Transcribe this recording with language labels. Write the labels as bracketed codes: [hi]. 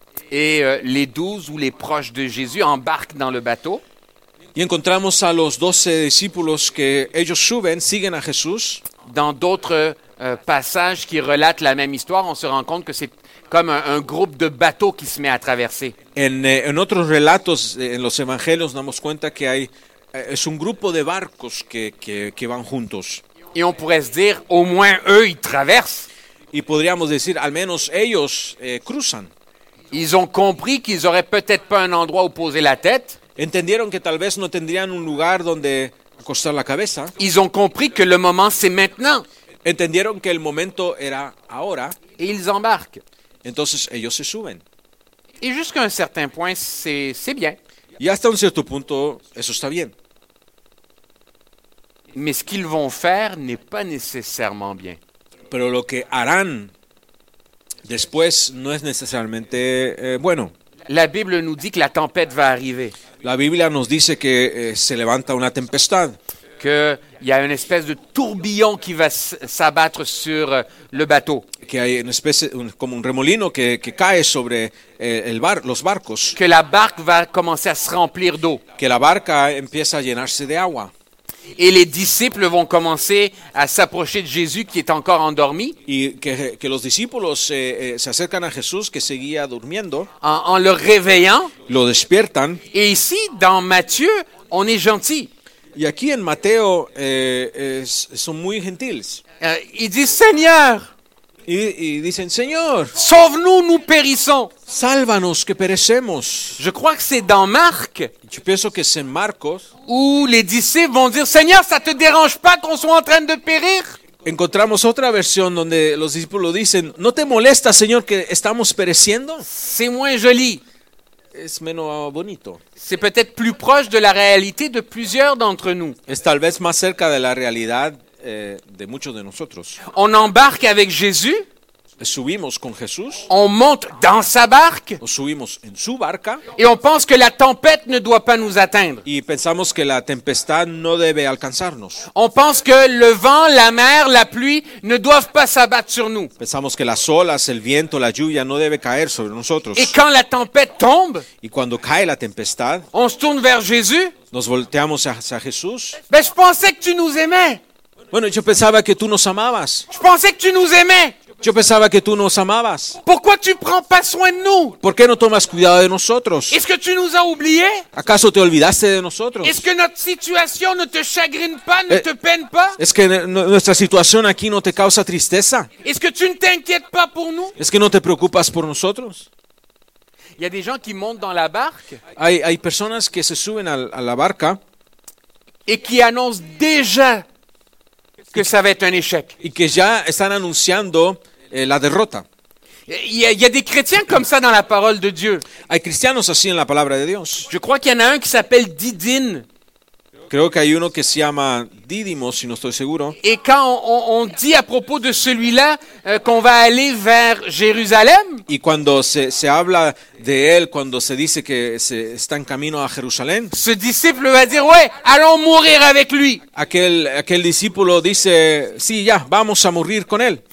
[fr] Et les 12 ou les proches de Jésus embarquent dans le bateau. [es] Y encontramos a los 12 discípulos que ellos suben, siguen a Jesús. [fr] Dans d'autres passages qui relatent la même histoire, on se rend compte que c'est comme un groupe de bateaux qui se met à traverser. [es] En otros relatos, en los evangelios, nos damos cuenta que hay es un grupo de barcos que van juntos. [fr] Y on pourrait se dire au moins eux ils traversent. [es] Y podríamos decir al menos ellos cruzan. [fr] Ils ont compris qu'ils auraient peut-être pas un endroit où poser la tête. [es] Entendieron que tal vez no tendrían un lugar donde acostar la cabeza. [fr] Ils ont compris que le moment c'est maintenant. [es] Entendieron que el momento era ahora. [fr] Et ils embarquent. [es] Entonces ellos se suben. [fr] Et jusqu'à un certain point c'est bien. [es] Y hasta un cierto punto eso está bien. [fr] Mais ce qu'ils vont faire n'est pas nécessairement bien. [es] Pero lo que harán después no es necesariamente bueno. [fr] La Bible nous dit que la tempête va arriver. [es] La Biblia nos dice que se levanta una tempestad. [fr] Qu'il y a une espèce de tourbillon qui va s'abattre sur le bateau. [es] Que hay una especie, como un remolino que cae sobre los barcos. [fr] Que la barque va commencer à se remplir d'eau. [es] Que la barca empieza a llenarse de agua. [fr] Et les disciples vont commencer à s'approcher de Jésus qui est encore endormi. [es] Y que los discípulos se acercan a Jesús que seguía durmiendo. [fr] En le réveillant. [es] Lo despiertan. [fr] Et ici, dans Matthieu, on est gentil. [es] Y aquí en Mateo son muy gentiles. [fr] Ils disent Seigneur. [es] Y dicen Señor. [fr] Sauve-nous, nous périssons. [es] Sálvanos que perecemos. [fr] Je crois que c'est dans Marc. [es] Yo pienso que es en Marcos. [fr] Où les disciples vont dire Seigneur, ça te dérange pas qu'on soit en train de périr? [es] Encontramos otra versión donde los discípulos dicen, ¿no te molesta, Señor, que estamos pereciendo? [fr] C'est moins joli. [es] Es menos bonito. [fr] C'est peut-être plus proche de la réalité de plusieurs d'entre nous. [es] Es tal vez más cerca de la realidad de muchos de nosotros. [fr] On embarque avec Jésus. [es] Subimos con Jesús. [fr] On monte dans sa barque. [es] O subimos en su barca. [fr] Et on pense que la tempête ne doit pas nous atteindre. [es] Y pensamos que la tempestad no debe alcanzarnos. [fr] On pense que le vent, la mer, la pluie ne doivent pas s'abattre sur nous. [es] Pensamos que las olas, el viento, la lluvia no debe caer sobre nosotros. [fr] Et quand la tempête tombe. [es] Y cuando cae la tempestad. [fr] On se tourne vers Jésus. [es] Nos volteamos hacia Jesús. [fr] Mais je pensais que tu nous aimais. [es] Bueno, yo pensaba que tú nos amabas. [fr] Je pensais que tu nous aimais. [es] Yo pensaba que tú nos amabas. [fr] Pourquoi tu prends pas soin de nous? [es] ¿Por qué no tomas cuidado de nosotros? [fr] Est-ce que tu nous as oublié? [es] ¿Acaso te olvidaste de nosotros? [fr] Est-ce que notre situation ne te chagrine pas, ne te peine pas? [es] ¿Es que nuestra situación aquí no te causa tristeza? [fr] Est-ce que tu ne t'inquiètes pas pour nous? [es] ¿Es que no te preocupas por nosotros? [fr] Il y a des gens qui montent dans la barque. [es] Hay personas que se suben a la barca [fr] et qui annoncent déjà que ça va être un échec. [es] Y que ya están anunciando la derrota. [fr] Il y a des chrétiens comme ça dans la parole de Dieu. [es] Hay cristianos así en la palabra de Dios. [fr] Je crois qu'il y en a un qui s'appelle Didine. [es] Creo que hay uno que se llama Didimo, si no estoy seguro. [fr] Et quand on dit à propos de celui-là qu'on va aller vers Jérusalem. [es] Y cuando se habla de él, cuando se dice que está en camino a Jerusalén. [fr] Ce disciple va dire, ouais, allons mourir avec lui. [es] Aquel discípulo dice, sí, ya, vamos a morir con él.